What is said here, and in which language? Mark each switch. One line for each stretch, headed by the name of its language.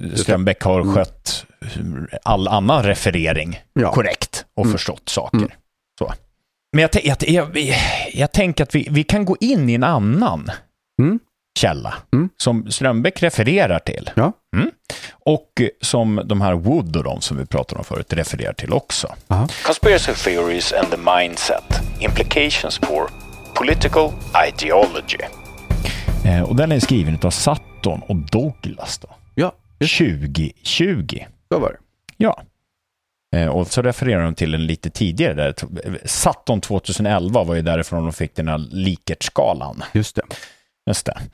Swedish: Strömbäck har skött all annan referering korrekt och förstått saker. Mm. Så. Men jag tänker att vi kan gå in i en annan källa som Strömbäck refererar till och som de här Wood och de som vi pratade om förut refererar till också.
English: Conspiracy theories and the mindset, implications for political ideology.
Swedish: Och den är skriven av Sutton och Douglas då. Ja. 2020. Så var det. Ja. Och så refererar de till den lite tidigare. Där. Saturn 2011 var ju därifrån de fick den här Likert-skalan. Just det. Just det.